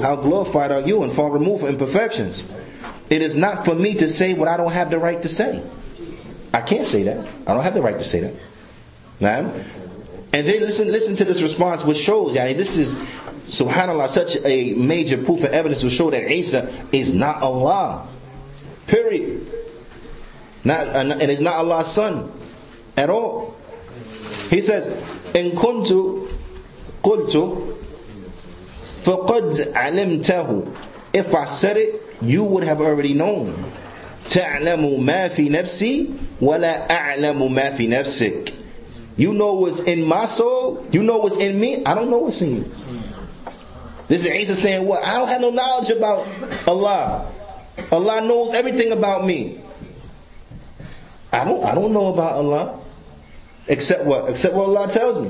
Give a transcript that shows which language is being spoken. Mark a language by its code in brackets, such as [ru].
[en] How glorified are you and far removed from imperfections. It is not for me to say what I don't have the right to say. I can't say that. I don't have the right to say that. Ma'am? And then listen to this response, which shows, yani, this is, subhanAllah, such a major proof of evidence will show that Isa is not Allah. Period. And is not Allah's son at all. He says, [ar] إن كنت قلت فقد علمته. [en] If I said it, you would have already known. [ar] تعلم ما في نفسي ولا أعلم ما في نفسك. [en] You know what's in my soul. You know what's in me. I don't know what's in you. This is Isa saying, what? I don't have no knowledge about Allah. Allah knows everything about me. I don't know about Allah. Except what? Except what Allah tells me.